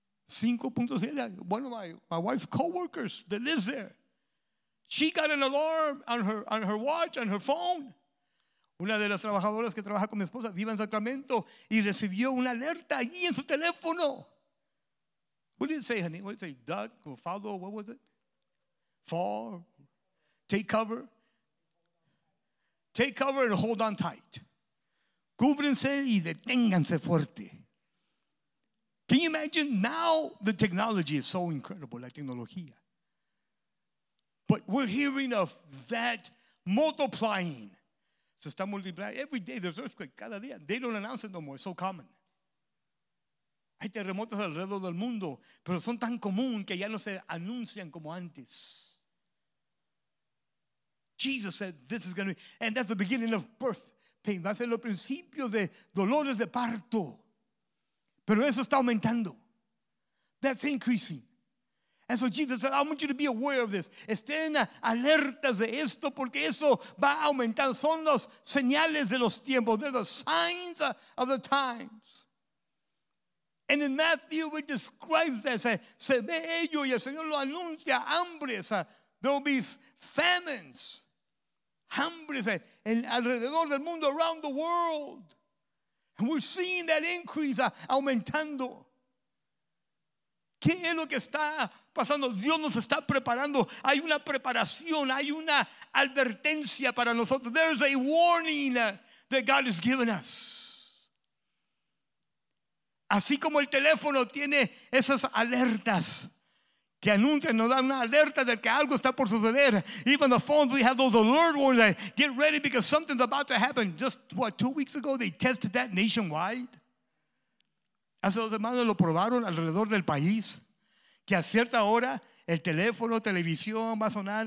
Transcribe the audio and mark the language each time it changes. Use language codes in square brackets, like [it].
[en] 5.7. One of my wife's co-workers that lives there, she got an alarm on her watch, on her phone. [es] Una de las trabajadoras que trabaja con mi esposa vive en Sacramento y recibió una alerta allí en su teléfono. [en] What did it say, honey? What did it say? Duck or follow? What was it? Fall? Take cover? Take cover and hold on tight. [es] Cúbrense y deténganse fuerte. [en] Can you imagine? Now the technology is so incredible, [es] la tecnología. [en] But we're hearing of that multiplying. [es] Se está multiplicando. [en] Every day there's earthquake, [es] cada día. [en] They don't announce it no more, it's so common. [es] Hay terremotos alrededor del mundo, pero son tan común que ya no se anuncian como antes. [en] Jesus said this is going to be, and that's the beginning of birth. [es] Va a ser los principios de dolores de parto. Pero eso está aumentando. [en] That's increasing. And so Jesus said, I want you to be aware of this. [es] Estén alertas de esto porque eso va a aumentar. Son los señales de los tiempos. [en] They're the signs of the times. And in Matthew, it describes that. [es] Se ve ello y el Señor lo anuncia. Hambres. [en] There will be famines. [es] Hambre alrededor del mundo, [en] around the world. And we're seeing that increase [es] aumentando. ¿Qué es lo que está pasando? Dios nos está preparando. Hay una preparación, hay una advertencia para nosotros. [en] There's a warning that God has given us. [es] Así como el teléfono tiene esas alertas que anuncian, nos dan una alerta de que algo está por suceder. [en] Even the phones, we have those alert warnings that get ready because something's about to happen. Just, what, 2 weeks ago, they tested that nationwide. [es] Hace 2 semanas lo probaron alrededor del país. Que a cierta hora, el teléfono, televisión, va a sonar.